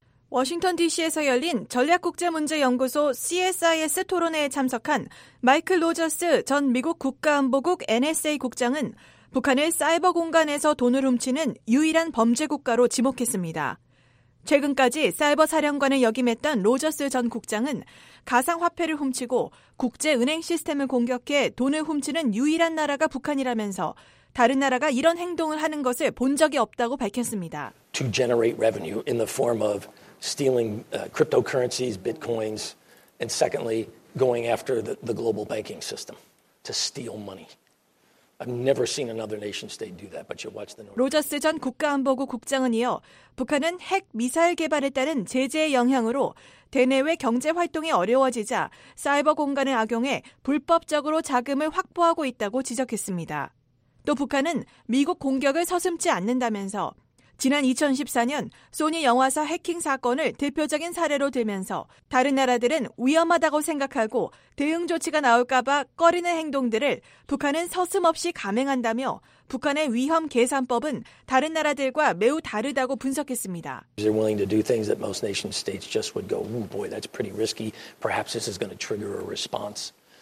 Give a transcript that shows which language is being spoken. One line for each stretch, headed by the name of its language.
Korean: 워싱턴 DC에서 열린 전략국제문제연구소 CSIS 토론회에 참석한 마이클 로저스 전 미국 국가안보국 NSA 국장은 북한을 사이버 공간에서 돈을 훔치는 유일한 범죄 국가로 지목했습니다. 최근까지 사이버 사령관을 역임했던 로저스 전 국장은 가상화폐를 훔치고 국제은행 시스템을 공격해 돈을 훔치는 유일한 나라가 북한이라면서 다른 나라가 이런 행동을 하는 것을 본 적이 없다고 밝혔습니다.
English: To generate revenue in the form of stealing cryptocurrencies, bitcoins, and secondly, going after the global banking system to steal money. I've never seen another nation state do that, but you watch the North.
Korean: 로저스 전 국가안보국 국장은 이어 북한은 핵 미사일 개발에 따른 제재의 영향으로 대내외 경제 활동이 어려워지자 사이버 공간을 악용해 불법적으로 자금을 확보하고 있다고 지적했습니다. 또 북한은 미국 공격을 서슴지 않는다면서 지난 2014년 소니 영화사 해킹 사건을 대표적인 사례로 들면서 다른 나라들은 위험하다고 생각하고 대응 조치가 나올까 봐 꺼리는 행동들을 북한은 서슴없이 감행한다며 북한의 위험 계산법은 다른 나라들과 매우 다르다고 분석했습니다.
English: They're willing to do things that most nation states just would go, "Ooh boy, that's pretty risky. Perhaps this is going to trigger a response."